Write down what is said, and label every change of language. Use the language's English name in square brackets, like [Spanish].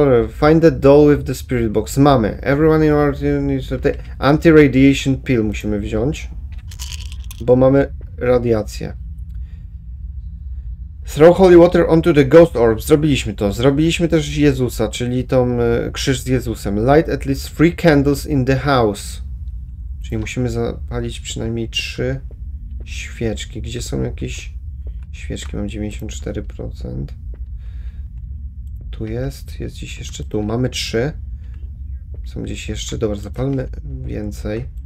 [English] Find the doll with the spirit box. [Polish] Mamy. [English] Everyone in our team needs to take anti-radiation pill [Polish] musimy wziąć, bo mamy radiację. [English] Throw holy water onto the ghost orb. [Polish] Zrobiliśmy to. Zrobiliśmy też Jezusa, czyli tą krzyż z Jezusem. [English] Light at least 3 candles in the house. [Polish] Czyli musimy zapalić przynajmniej 3 świeczki. Gdzie są jakieś świeczki? Mam 94%. Tu jest. Jest gdzieś jeszcze. Tu mamy 3. Są gdzieś jeszcze. Dobra, zapalmy więcej.